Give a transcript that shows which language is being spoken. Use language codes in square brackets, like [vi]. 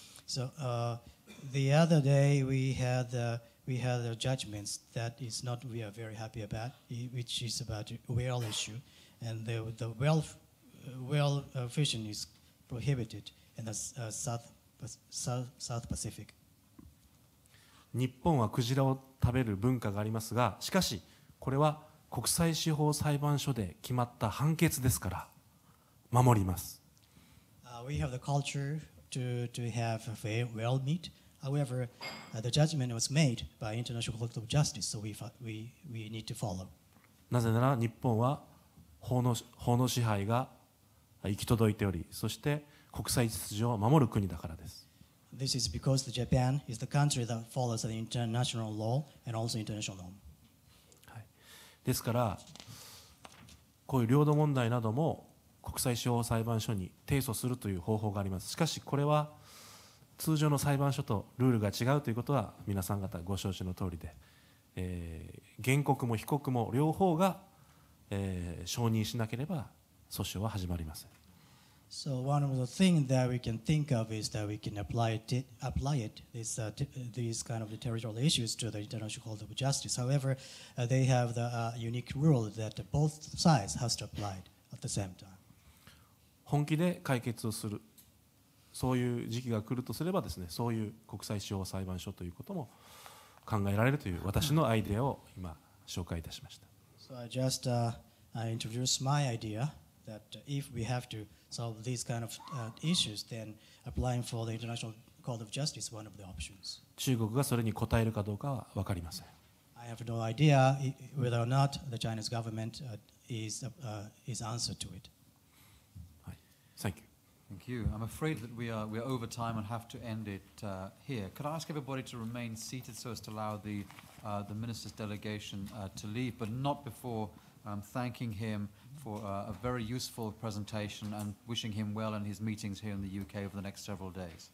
[en] So the other day we had the judgments that is not we are very happy about, which is about whale issue, and the whale fishing is prohibited in the South Pacific. [ja] 日本はクジラを食べる文化がありますが、しかしこれは国際司法裁判所で決まった判決ですから守ります。 [en] We have the culture to have whale meat. However, the judgment was made by International Court of Justice, so we need to follow. [ja] なぜなら日本は法の支配が行き届いており、そして国際秩序を守る国だからです。 [en] This is because Japan is the country that follows the international law and also international norm. [ja] はい。ですから、こういう領土問題なども国際司法裁判所に提訴するという方法があります。しかし、これは通常の裁判所とルールが違うということは皆さん方ご承知の通りで、原告も被告も両方が、承認しなければ訴訟は始まりません。 [en] So one of the things that we can think of is that we can apply these kind of the territorial issues to the International Court of Justice. However, they have the unique rule that both sides has to apply at the same time. [ja] 本気で解決をするそういう時期が来るとすればですね、そういう国際司法裁判所ということも考えられるという私のアイデアを今紹介いたしました。 [en] So I just introduced my idea that if we have to solve these kind of issues, then applying for the International Court of Justice is one of the options. [ja] 中国がそれに答えるかどうかは分かりません。 [en] I have no idea whether or not the Chinese government is answer to it. はい、Thank you. Thank you. I'm afraid that we are over time and have to end it here. Could I ask everybody to remain seated so as to allow the minister's delegation to leave, but not before thanking him for a very useful presentation and wishing him well in his meetings here in the UK over the next several days.